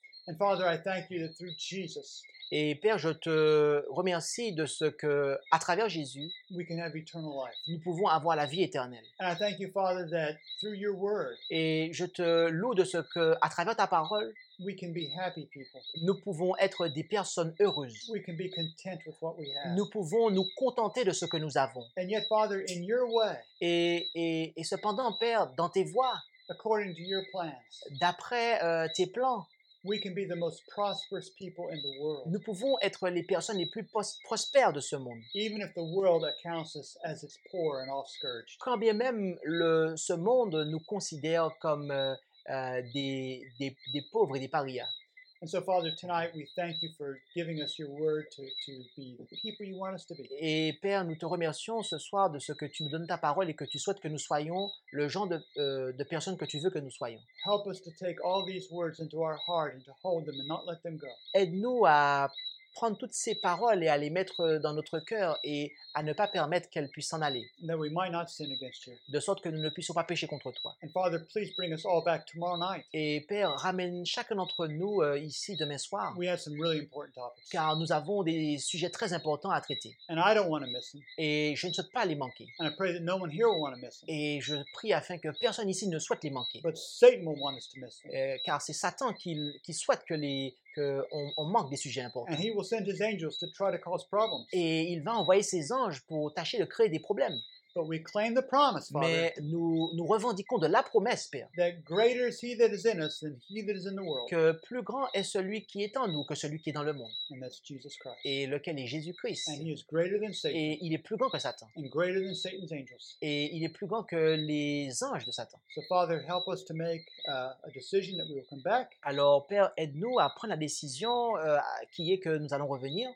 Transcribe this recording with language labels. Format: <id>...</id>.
<en>And Father, I thank you that through Jesus,</en> <fr>et Père, je te remercie de ce que, à travers Jésus,</fr> <en>we can have eternal life.</en> <fr>Nous pouvons avoir la vie éternelle.</fr> <en>And I thank you, Father, that through your word,</en> <fr>et je te loue de ce que, à travers ta parole,</fr> <en>we can be happy people.</en> <fr>Nous pouvons être des personnes heureuses.</fr> <en>We can be content with what we have.</en> <fr>Nous pouvons nous contenter de ce que nous avons.</fr> <en>And yet, Father, in your way,</en> <fr>et cependant, Père, dans tes voies,</fr> <en>according to your plans,</en> <fr>d'après tes plans,</fr> <en>we can be the most prosperous people in the world.</en> <fr>Nous pouvons être les personnes les plus prospères de ce monde.</fr> <en>Even if the world accounts us as its poor and off-scourged.</en> <fr>Quand bien même ce monde nous considère comme des pauvres et des parias.</fr> <en>And so, Father, tonight we thank you for giving us your word to be the people you want us to be.</en> <fr>Et Père, nous te remercions ce soir de ce que tu nous donnes ta parole et que tu souhaites que nous soyons le genre de personnes que tu veux que nous soyons.</fr> <en>Help us to take all these words into our heart and to hold them and not let them go.</en> <fr>Aide-nous à prendre toutes ces paroles et à les mettre dans notre cœur et à ne pas permettre qu'elles puissent s'en aller.</fr> <en>That we might not sin against you.</en> <fr>De sorte que nous ne puissions pas pécher contre toi.</fr> <en>And Father, please bring us all back tomorrow night.</en> <fr>Et Père, ramène chacun d'entre nous ici demain soir.</fr> <en>We have some really important topics.</en> <fr>Car nous avons des sujets très importants à traiter.</fr> <en>And I don't want to miss them.</en> <fr>Et je ne souhaite pas les manquer.</fr> <en>And I pray that no one here will want to miss them.</en> <fr>Et je prie afin que personne ici ne souhaite les manquer.</fr> <en>But Satan will want us to miss them.</en> <fr>Car c'est Satan qui souhaite qu'on manque des sujets importants.</fr> <en>And he will send his angels to try to cause problems.</en> <fr>Et il va envoyer ses anges pour tâcher de créer des problèmes.</fr> <en>But we claim the promise, Father,</en> <fr>mais nous revendiquons de la promesse, Père,</fr> <en>that greater is he that is in us than he that is in the world.</en> <fr>Que plus grand est celui qui est en nous que celui qui est dans le monde.</fr> <en>And that's Jesus Christ.</en> <fr>Et lequel est Jésus-Christ.</fr> <en>And he is greater than Satan.</en> <fr>Et il est plus grand que Satan.</fr> <en>And greater than Satan's angels.</en> <fr>Et il est plus grand que les anges de Satan.</fr> <en>So Father, help us to make a decision that we will come back.</en> <fr>Alors Père, aide-nous à prendre la décision qui est que nous allons revenir.</fr>